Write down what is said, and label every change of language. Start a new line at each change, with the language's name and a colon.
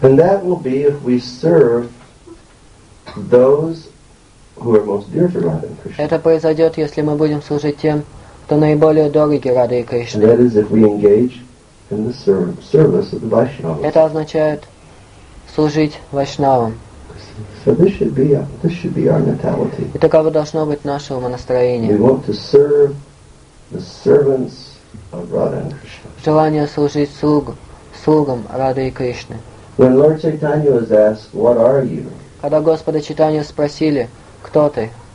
English: And that will be if we serve those who are most dear to Radha and Krishna.
Russian: Это произойдет, если мы будем служить тем, кто наиболее дороги Радхе и Кришне.
English: And that is if we engage in the service of the Vaishnavas.
Russian: Это означает служить Вайшнавам.
English: So this should be our mentality.
Russian: И таково должно быть наше умонастроение.
English: We want to serve the servants of Radha and Krishna.
Russian: Желание служить слугам Радхи и Кришны.
English: When Lord Chaitanya was asked, "What are you?"
Russian: Когда Господа Чайтанью спросили, "Кто ты?"